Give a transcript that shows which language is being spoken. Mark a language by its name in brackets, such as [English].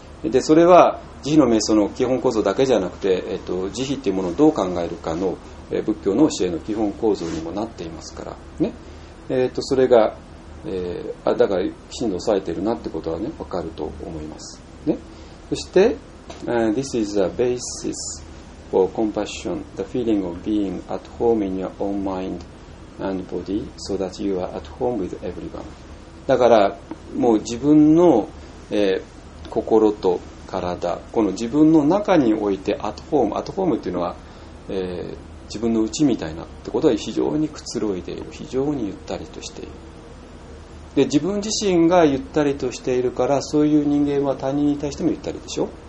[Japanese] でそれは慈悲の瞑想の基本構造だけじゃなくて、慈悲っていうものをどう考えるかの、仏教の教えの基本構造にもなっていますからね。それが、だからきちんと押さえてるなってことはね分かると思いますね。そして [English] This is a basis for compassion, the feeling of being at home in your own mind and body so that you are at home with everyone。 [Japanese] だからもう自分の、心と体、この自分の中においてアットホーム、アットホームっていうのは、自分の内みたいなってことは非常にくつろいでいる、非常にゆったりとしている。で自分自身がゆったりとしているからそういう人間は他人に対してもゆったりでしょ。